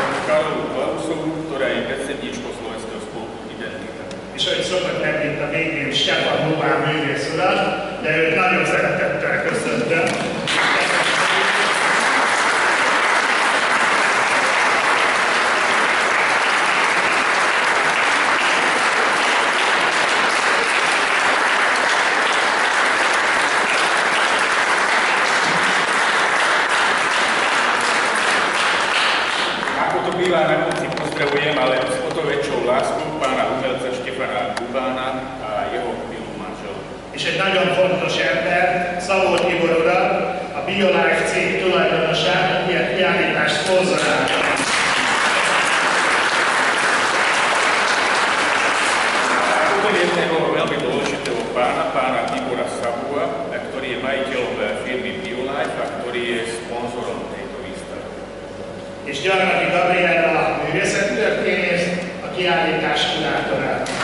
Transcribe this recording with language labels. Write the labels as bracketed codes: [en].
[sk] Karolu Klausovu, ktorá je predsedníčko Slovenského spolku Identita. [hu] És ahogy szokott említ a végén Stefan Dubán művész urat, de őt nagyon szeretettel köszöntöm. [sk] Ako to býva na konci, pozdravujem, ale s o to väčšou láskou pána umelca Štefana Dubána a jeho milú manželku. [hu] És egy nagyon fontos ember, Szabó Tibor ura, a BioLife cég tulajdonosát, aki a kiállítást szponzorálta. [sk] Úgy jedného veľmi dôležitého pána Tibora Szabóa, ktorý je majiteľom firmy BioLife a ktorý je szponzorom tejto výstavy. [hu] És Gyarmati Gabriela, a művészettörténész, a kiállítás kurátorát.